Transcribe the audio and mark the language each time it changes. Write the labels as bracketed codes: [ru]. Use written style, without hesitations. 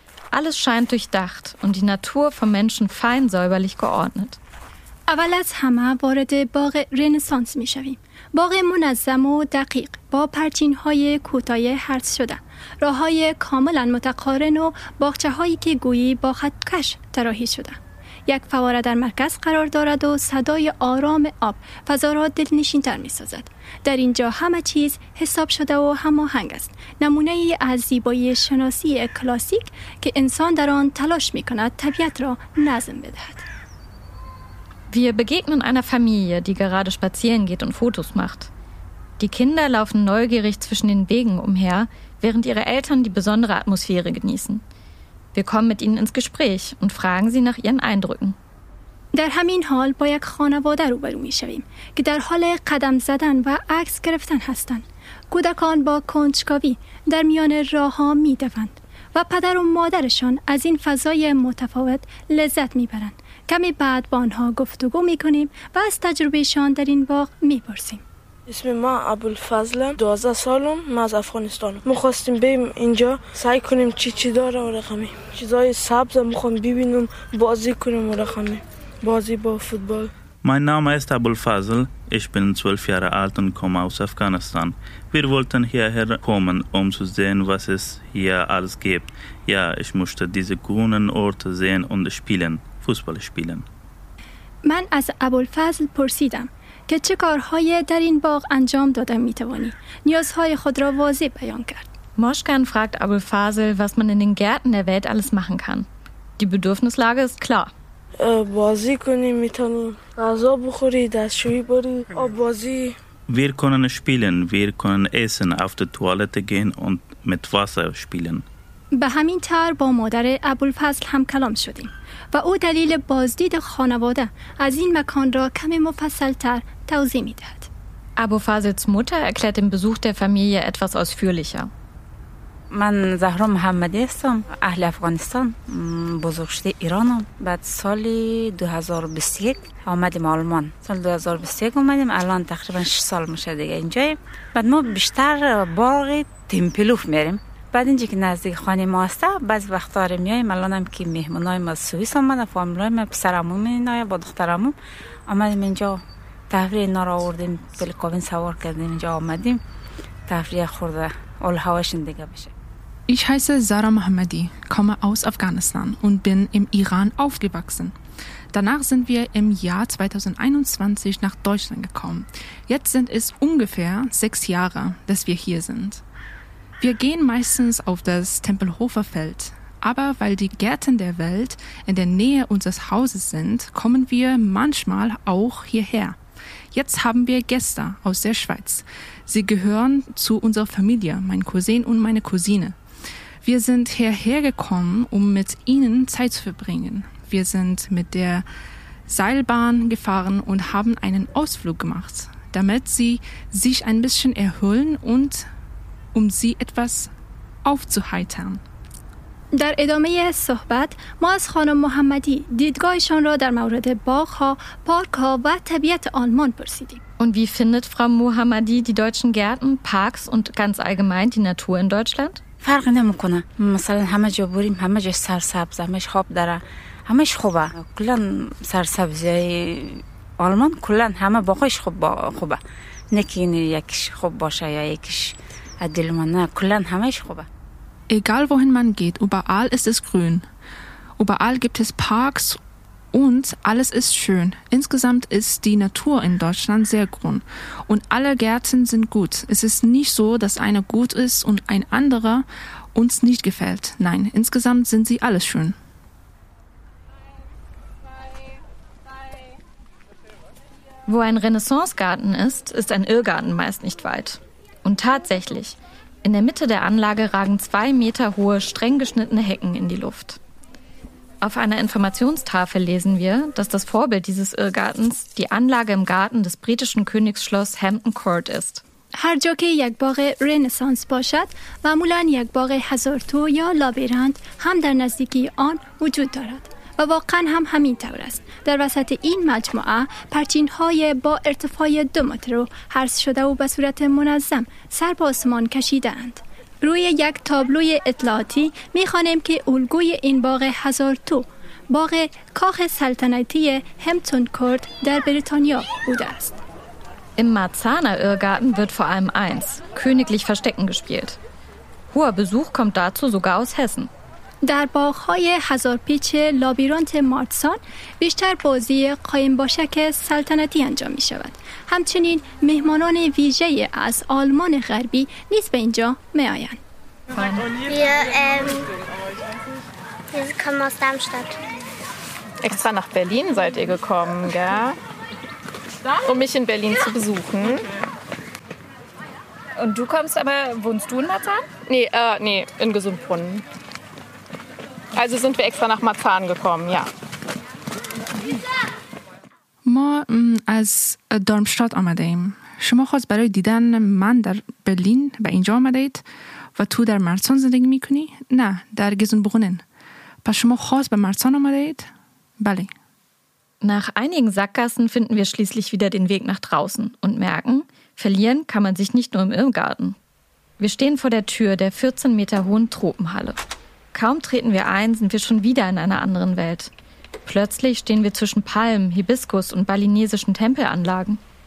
[de] Alles scheint durchdacht und die Natur vom Menschen fein säuberlich geordnet. [fa] اول از همه وارد باغ رنسانس می شویم. باغ منظم و دقیق با پرچین های کوتاه هرس شده. راه های کاملا متقارن و باغچه هایی که گویی با خط کش طراحی شده. یک فواره در مرکز قرار دارد و صدای آرام آب فضا را دلنشین تر می سازد. در اینجا همه چیز حساب شده و هماهنگ است. نمونه ای از زیبایی شناسی کلاسیک که انسان در آن تلاش می کند طبیعت را نظم بدهد. [de] Wir begegnen einer Familie, die gerade spazieren geht und Fotos macht. Die Kinder laufen neugierig zwischen den Wegen umher, während ihre Eltern die besondere Atmosphäre genießen. Wir kommen mit ihnen ins Gespräch und fragen sie nach ihren Eindrücken. [fa] در همین حال با یک خانواده روبرو می شویم که در حال قدم زدن و عکس گرفتن هستند. کودکان با کنجکاوی در میان راه ها می دوند و پدر و مادرشان از این فضای متفاوت لذت می برند. کمی بعد با آنها گفتگو می کنیم و از تجربهشان در این باغ می پرسیم. اسم ما ابوالفضل 12 سالم ما از افغانستان می‌خواستیم بیم اینجا سعی کنیم چی داره و رقمی چیزای سبز می‌خوام ببینم بازی کنیم و رقمی بازی با فوتبال [de] Mein Name ist Abulfazl. Ich bin 12 Jahre alt und komme aus Afghanistan. Wir wollten hierher kommen, um zu sehen, was es hier alles gibt. Ja, ich möchte diese grünen Orte sehen und spielen, Fußball spielen. [fa] من از ابوالفضل پرسیدم که چه کارهای در این باغ انجام دادن میتوانی؟ نیازهای خود را واضح بیان کرد. [de] Moshkan fragt Abulfazl, was man in den Gärten der Welt alles machen kann. Die Bedürfnislage ist klar. [fa] بازی کنیم میتونیم غذا بخوری دستشویی بری آب بازی [de] Wir können spielen, wir können essen, auf die Toilette gehen und mit Wasser spielen. [fa] به همین طور با مادر ابوالفضل هم کلام شدیم و او دلیل بازدید خانواده از این مکان را کمی مفصل تر توضیح می دهد. ابوالفضلز مادر [de] erklärt den Besuch der Familie etwas ausführlicher. [fa] من زهرا محمدی هستم، اهل افغانستان، بزرگ شده ایرانم. بعد سال 2021 آمدیم آلمان. سال 2021 اومدیم، الان تقریبا 6 سال میشه دیگه اینجاییم. بعد ما بیشتر باغ تیمپلوف میریم. بعد اینجا که نزدیک خانه ما هست، بعض وقتا میایم الان هم که مهمونای ما سوئیس اومدن، فامیلای ما پسرعموم اینا با دخترعموم اومدیم اینجا تفریح اینا را آوردیم، پلکاوین سوار کردیم اینجا اومدیم. تفریح خورده اول هواشون دیگه بشه. [de] Ich heiße Zara Mohammadi, komme aus Afghanistan und bin im Iran aufgewachsen. Danach sind wir im Jahr 2021 nach Deutschland gekommen. Jetzt sind es ungefähr 6 Jahre, dass wir hier sind. Wir gehen meistens auf das Tempelhofer Feld, aber weil die Gärten der Welt in der Nähe unseres Hauses sind, kommen wir manchmal auch hierher. Jetzt haben wir Gäste aus der Schweiz. Sie gehören zu unserer Familie, mein Cousin und meine Cousine. Wir sind hierher gekommen, um mit ihnen Zeit zu verbringen. Wir sind mit der Seilbahn gefahren und haben einen Ausflug gemacht, damit sie sich ein bisschen erholen und um sie etwas aufzuheitern. [fa] در ادامه صحبت ما از خانم محمدی دیدگاهشان را در مورد باغ‌ها، پارک‌ها و طبیعت آلمان پرسیدیم. [de] Und wie findet Frau Mohammadi die deutschen Gärten, Parks und ganz allgemein die Natur in Deutschland? [fa] فرق نمیکنه مثلا همه جا بریم همه جا سرسبز همش خوب داره همش خوبه کلا سرسبزی آلمان کلا همه باغش خوب خوبه نه که این یکیش خوب باشه یا یکیش عدلمان نه کلا همش خوبه [de] egal wohin man geht überall ist es grün überall gibt es parks und alles ist schön insgesamt ist die natur in deutschland sehr grün und alle gärten sind gut es ist nicht so dass einer gut ist und ein anderer uns nicht gefällt nein insgesamt sind sie alles schön wo ein renaissancegarten ist ist ein irrgarten meist nicht weit und tatsächlich in der mitte der anlage ragen 2 Meter hohe streng geschnittene hecken in die luft Auf einer Informationstafel lesen wir, dass das Vorbild dieses Irrgartens die Anlage im Garten des britischen Königsschloss Hampton Court ist. [fa] هر جا که یک باغ رنسانس باشد، معمولاً یک باغ هزارتو یا لابیرانت هم در نزدیکی آن وجود دارد. و واقعاً هم همین طور است. در وسط این مجموعه پرچین‌های با ارتفاع 2 متر رو حرس شده و به صورت منظم سر به آسمان کشیده‌اند. روی یک تابلوی اطلاعاتی می‌خوانیم که الگوی این باغ هزار تو باغ کاخ سلطنتی همپتون کورت در بریتانیا بوده است. [de] Im Marzahner Irrgarten wird vor allem eins, königlich Verstecken gespielt. Hoher Besuch kommt dazu sogar aus Hessen. [fa] در باغ‌های هزار پیچ لابیرانت مارتسان بیشتر بازی قایم باشک سلطنتی انجام می‌شود. همچنین مهمانان ویژه از آلمان غربی نیز به اینجا می آیند. [de] Extra nach Berlin seid ihr gekommen, gell? Um mich in Berlin zu besuchen. Und du kommst aber, wohnst du in Marzahn? Nee, in Gesundbrunnen. Also sind wir extra nach Marzahn gekommen, ja. [fa] ما از دارمشتات آمده ایم. شما خود برای دیدن من در برلین به اینجا آمده اید و تو در مرسان زندگی میکنی؟ نه، در گزنبغنن. پس شما خود به مرسان آمده اید؟ بله. [de] Nach einigen Sackgassen finden wir schließlich wieder den Weg nach draußen und merken, verlieren kann man sich nicht nur im Irrgarten. Wir stehen vor der Tür der 14 Meter hohen Tropenhalle. Kaum treten wir ein, sind wir schon wieder in einer anderen Welt. Plötzlich stehen wir zwischen Palmen, Hibiskus und balinesischen Tempelanlagen.